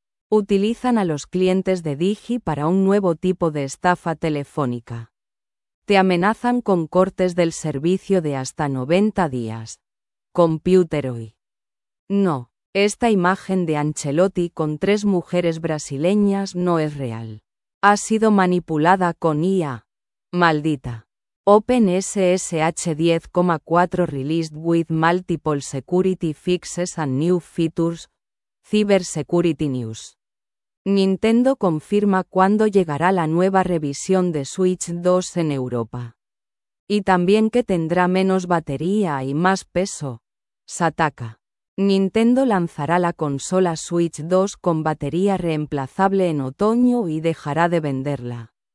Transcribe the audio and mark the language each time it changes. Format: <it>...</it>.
<es>Utilizan a los clientes de Digi para un nuevo tipo de estafa telefónica. Te amenazan con cortes del servicio de hasta 90 días. Computeroy. No, esta imagen de Ancelotti con 3 mujeres brasileñas no es real. Ha sido manipulada con IA. Maldita.</es> <en>OpenSSH 10.4 released with multiple security fixes and new features. Cyber Security News.</en> <es>Nintendo confirma cuándo llegará la nueva revisión de Switch 2 en Europa. Y también que tendrá menos batería y más peso. Sataka. Nintendo lanzará la consola Switch 2 con batería reemplazable en otoño y dejará de venderla.</es>